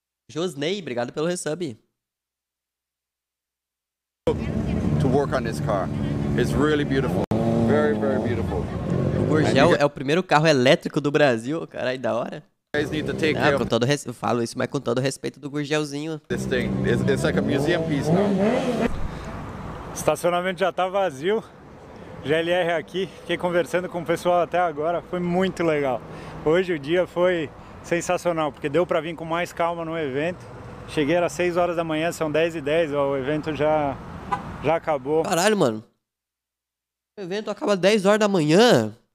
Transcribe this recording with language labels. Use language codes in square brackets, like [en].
[pt] Josney, obrigado pelo resub. [en] To work on this car. It's really beautiful. Very, very beautiful. [pt] O Gurgel é o primeiro carro elétrico do Brasil. Caralho, da hora. Não, com todo eu falo isso, mas com todo o respeito do Gurgelzinho. [en] This thing, it's like a museum piece now. [pt] Estacionamento já tá vazio. GLR aqui, fiquei conversando com o pessoal até agora, foi muito legal. Hoje o dia foi sensacional, porque deu pra vir com mais calma no evento. Cheguei às 6 horas da manhã, são 10h10, ó, o evento já acabou. Caralho, mano. O evento acaba às 10 horas da manhã?